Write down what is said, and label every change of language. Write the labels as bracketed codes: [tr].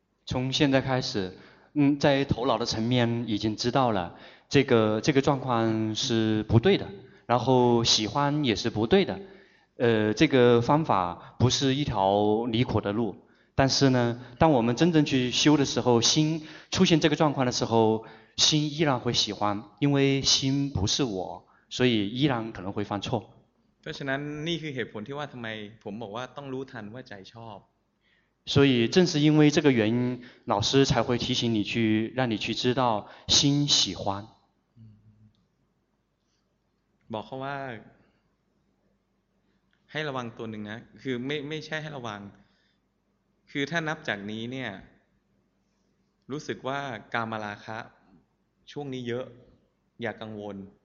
[zh] 从现在开始在头脑的层面已经知道了这个状况是不对的然后喜欢也是不对的这个方法不是一条离苦的路但是呢当我们真正去修的时候心出现这个状况的时候心依然会喜欢因为心不是我所以依然可能会犯错 [th] เพราะฉะนั้นนี่คือเหตุผลที่ว่าทำไมผมบอกว่าต้องรู้ทันว่าใจชอบ [zh] 所以正是因为这个原因老师才会提醒你去让你去知道心喜欢 [th] บอกเขาว่าให้ระวังตัวหนึ่งนะคือไม่ใช่ให้ระวังคือถ้านับจากนี้เนี่ยรู้สึกว่ากามราคะช่วงนี้เยอะอย่ากังวล